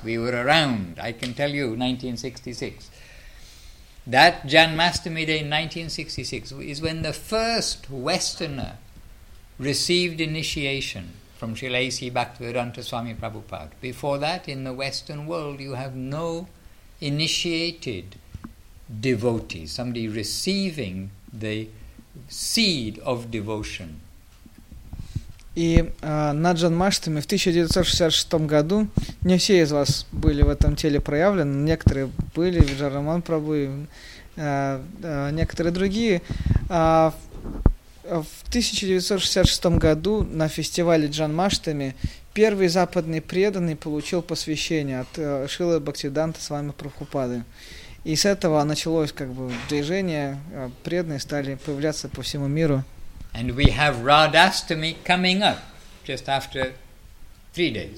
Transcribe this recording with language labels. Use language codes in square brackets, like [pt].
[en] We were around, I can tell you, 1966. That Janmashtami Day in 1966 is when the first Westerner received initiation from Srila A.C. Bhaktivedanta Swami Prabhupada. Before that, in the Western world, you have no initiated devotees, somebody receiving the seed of devotion. [ru] И на Джанмаштами в 1966 году не все из вас были в этом теле проявлены, некоторые были, Виджараман Прабху и некоторые другие. В 1966 году на фестивале Джанмаштами первый западный преданный получил посвящение от Шрилы Бхактивиданты с вами Прабхупады. И с этого началось как бы движение, преданные стали появляться по всему миру. [en] And we have Radhastami coming up just after 3 days.